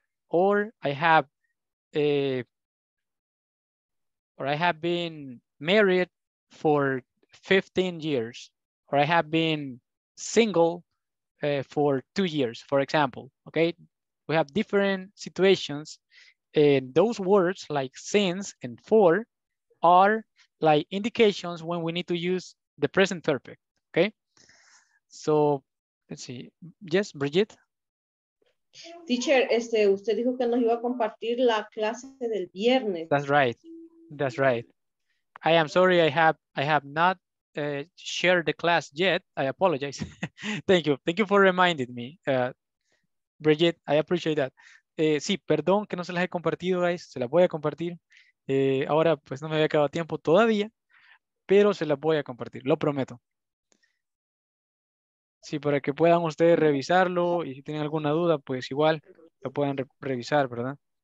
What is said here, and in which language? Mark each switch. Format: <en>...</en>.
<en>or I have been married for 15 years, or I have been single for 2 years, for example. Okay, we have different situations. And those words like since and for are like indications when we need to use the present perfect, okay? So, let's see. Yes, Bridget?</en> <es>Teacher, usted dijo que nos iba a compartir la clase del viernes.</es> <en>That's right. That's right. I am sorry, I have not shared the class yet. I apologize. Thank you. Thank you for reminding me, Bridget. I appreciate that.</en> <es>Sí, perdón que no se las he compartido, guys. Se las voy a compartir. Ahora, pues no me había quedado tiempo todavía, pero se las voy a compartir, lo prometo. Sí, para que puedan ustedes revisarlo y si tienen alguna duda, pues igual lo puedan revisar, ¿verdad?</es>